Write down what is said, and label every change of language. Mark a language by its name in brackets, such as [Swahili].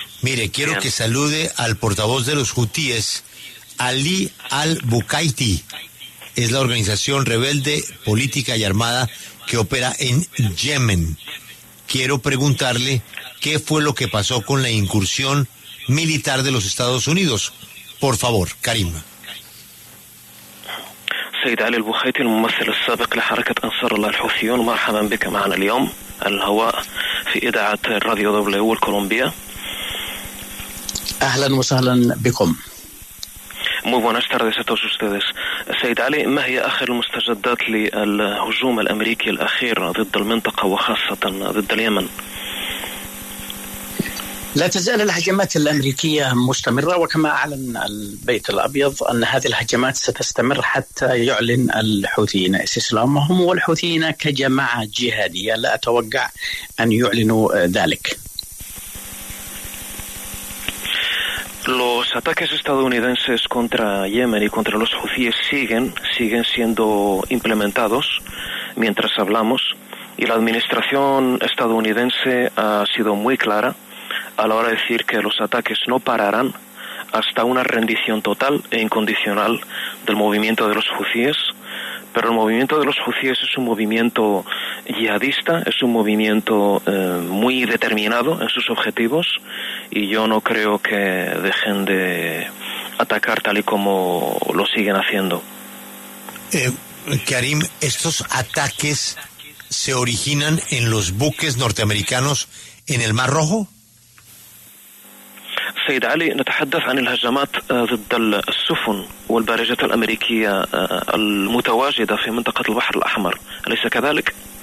[Spanish] Mire, quiero que salude al portavoz de los hutíes, Ali al-Bukaiti. Es la organización rebelde, política y armada que opera en Yemen. Quiero preguntarle qué fue lo que pasó con la incursión militar de los Estados Unidos. Por favor, Karim. [Arabic] سيد علي البوخيتي الممثل السابق لحركة أنصار الله الحوثيون مرحبا بك معنا اليوم الهواء في إذاعة راديو دبليو الكولومبيا أهلا وسهلا بكم [Spanish] Muy buenas tardes a todos ustedes [Arabic] سيد علي ما هي آخر المستجدات للهجوم الأمريكي الأخير ضد المنطقة وخاصة ضد اليمن لا تزال الهجمات الأمريكية مستمرة وكما أعلن البيت الأبيض أن هذه الهجمات ستستمر حتى يعلن الحوثيين استسلامهم والحوثيين كجماعة جهادية لا أتوقع أن يعلنوا ذلك [Spanish] Los ataques estadounidenses contra Yemen y contra los Houthis siguen siendo implementados mientras hablamos y la administración estadounidense ha sido muy clara a la hora de decir que los ataques no pararán hasta una rendición total e incondicional del movimiento de los hutíes, pero el movimiento de los hutíes es un movimiento yihadista, es un movimiento muy determinado en sus objetivos, y yo no creo que dejen de atacar tal y como lo siguen haciendo. Karim, ¿estos ataques se originan en los buques norteamericanos en el Mar Rojo? [Arabic] سيد علي نتحدث عن الهجمات ضد السفن والبارجات الأمريكية المتواجدة في منطقة البحر الأحمر أليس كذلك؟